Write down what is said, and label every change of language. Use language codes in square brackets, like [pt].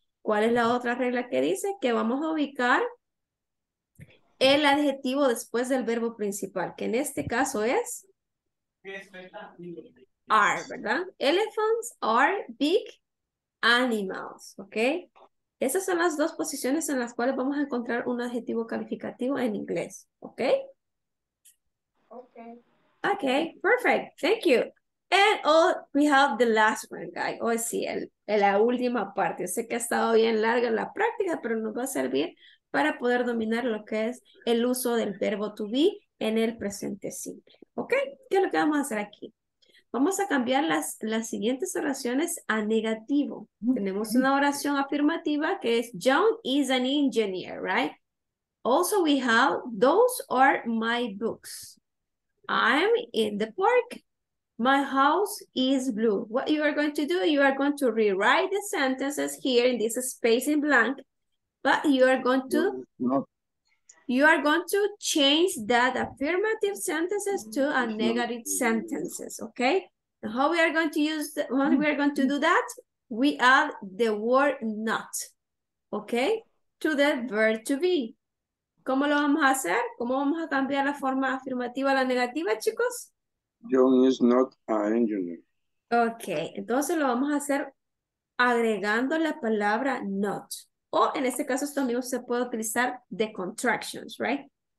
[es] ¿Cuál es la otra regla que dice? Que vamos a ubicar el adjetivo después del verbo principal, que en este caso es are, ¿verdad? [en] Elephants are big animals, ¿ok? [es] Esas son las dos posiciones en las cuales vamos a encontrar un adjetivo calificativo en inglés, ¿ok? [en] Ok. Ok, perfect. Thank you. And oh, we have the last one, guys. [es] Oh, sí, la última parte. Sé que ha estado bien larga la práctica, pero nos va a servir para poder dominar lo que es el uso del verbo to be en el presente simple. ¿Ok? ¿Qué es lo que vamos a hacer aquí? Vamos a cambiar las siguientes oraciones a negativo. Tenemos una oración afirmativa que es [en] John is an engineer, right? Also, we have those are my books. I'm in the park. My house is blue. What you are going to do, you are going to rewrite the sentences here in this space in blank, but you are going to change that affirmative sentences to a negative sentences, okay? And how we are going to use, when we are going to do that, we add the word not, okay? To the verb to be. [es] ¿Cómo lo vamos a hacer? ¿Cómo vamos a cambiar la forma afirmativa a la negativa, chicos? [en] John is not an engineer. [es] Okay, entonces lo vamos a hacer agregando la palabra not. O en este caso, esto mismo se puede utilizar [en] the contractions, right?